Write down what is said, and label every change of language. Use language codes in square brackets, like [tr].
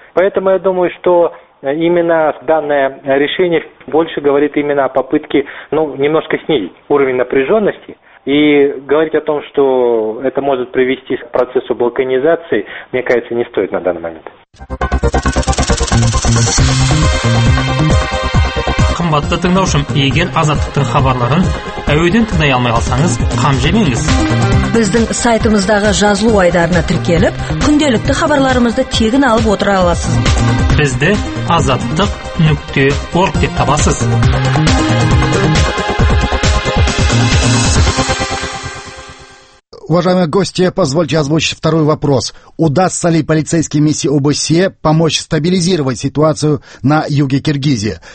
[ru] Поэтому я думаю, что именно данное решение больше говорит именно о попытке, ну, немножко снизить уровень напряженности и говорить о том, что это может привести к процессу балканизации, мне кажется, не стоит на данный момент. [kk] Қымбатты тыңдаушым, егер азаттықтың хабарларын әуеден тыңдай алмай қалсаңыз, қам жемеңіз. Біздің сайтымыздағы жазылу айдарына тіркеліп, күнделікті хабарларымызды тегін алып отыра аласыз. Бізді azattık.org деп табасыз. [ru] Уважаемые гости, позвольте озвучить второй вопрос. Удастся ли полицейским миссии ОБСЕ помочь стабилизировать ситуацию на юге Киргизии?